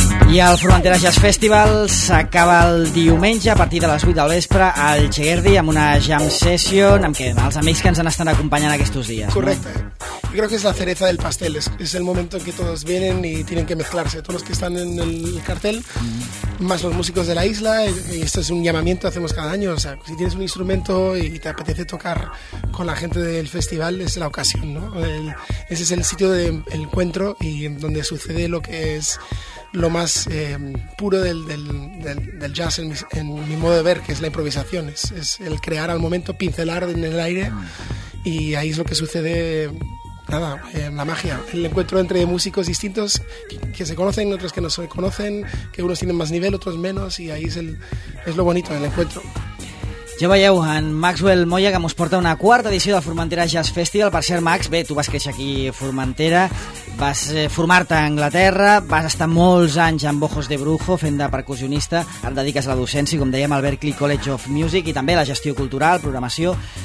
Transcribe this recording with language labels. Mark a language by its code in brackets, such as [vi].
[ca] I el Formentera Jazz Festival s'acaba el diumenge a partir de les 8 del vespre al Chegerdi amb una jam session amb els amics que ens han estat acompanyant aquests dies. Correcte. No? [es] Creo que es la cereza del pastel. Es el momento en que todos vienen y tienen que mezclarse. Todos los que están en el cartel, más los músicos de la isla, y esto es un llamamiento que hacemos cada año. O sea, si tienes un instrumento y te apetece tocar con la gente del festival, es la ocasión, ¿no? Ese es el sitio de encuentro y donde sucede lo que es lo más puro del jazz en mi modo de ver, que es la improvisación, es el crear al momento, pincelar en el aire, y ahí es lo que sucede, nada, la magia, el encuentro entre músicos distintos que se conocen, otros que no se conocen, que unos tienen más nivel, otros menos, y ahí es lo bonito del encuentro. [ca] Ja veieu en Maxwell Moya, que mos porta una quarta edició del Formentera Jazz Festival. Per cert, Max, bé, tu vas créixer aquí a Formentera, vas formar-te a Anglaterra, vas estar molts anys amb Ojos de Brujo fent de percussionista, et dediques a la docència, com dèiem, al Berklee College of Music, i també a la gestió cultural, programació.